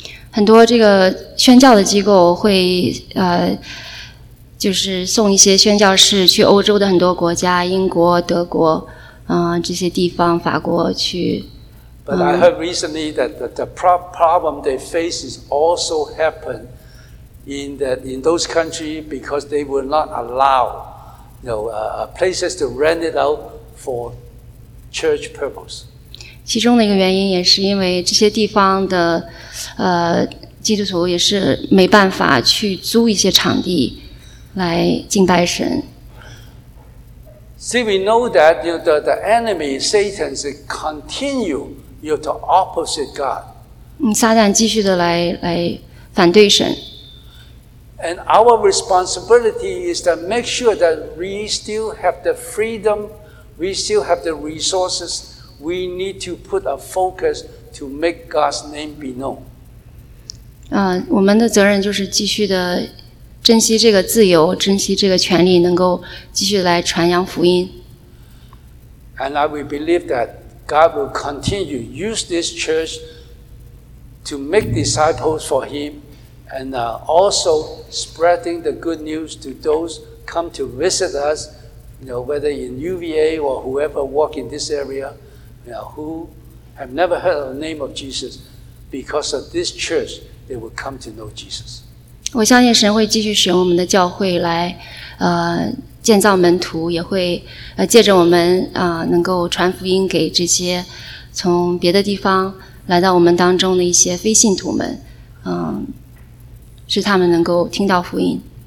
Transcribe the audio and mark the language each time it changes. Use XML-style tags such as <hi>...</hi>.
<zh>很多这个宣教的机构会就是送一些宣教士去欧洲的很多国家，英国、德国，这些地方，法国去。</zh> <en>But I heard recently that the problem they face is also happen in those countries because they will not allow, you know, places to rent it out for church purpose.</en> <zh>其中的一个原因也是因为这些地方的基督徒也是没办法去租一些场地来敬拜神。</zh> <en>See, we know that, you know, the enemy, Satan, is continuing. You're the opposite God.</en> <zh>撒旦继续的来反对神。</zh> <en>And our responsibility is to make sure that we still have the freedom, we still have the resources, we need to put a focus to make God's name be known.</en> <zh>我们的责任就是继续的珍惜这个自由，珍惜这个权利，能够继续来传扬福音。</zh> <en>And I will believe that God will continue to use this church to make disciples for Him, and also spreading the good news to those come to visit us, you know, whether in UVA or whoever walk in this area, you know, who have never heard of the name of Jesus, because of this church, they will come to know Jesus.</en> <zh>我相信神会继续使用我们的教会来，建造门徒，也会借着我们能够传福音给这些从别的地方来到我们当中的一些非信徒们，使他们能够听到福音。</zh>